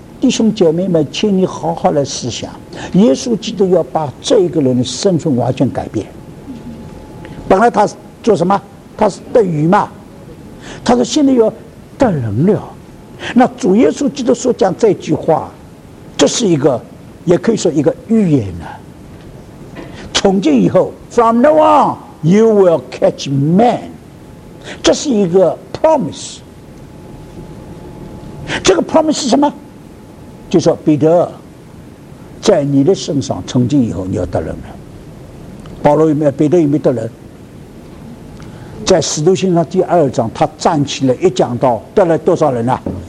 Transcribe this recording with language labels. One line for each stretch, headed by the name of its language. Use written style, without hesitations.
Chinese: 弟兄姐妹们，请你好好来思想，耶稣基督要把这个人的身份完全改变。本来他做什么？他是得鱼嘛，他说现在要得能力。那主耶稣基督所讲这句话，这是一个也可以说一个预言呢、啊。从今以后
English: from now on you will catch men，
Chinese: 这是一个
English: promise。
Chinese: 这个 promise 是什么？就说彼得在你的身上从今以后你要得人了。保罗有没有？彼得有没有得人？在使徒行传第二章他站起来一讲到得了多少人啊？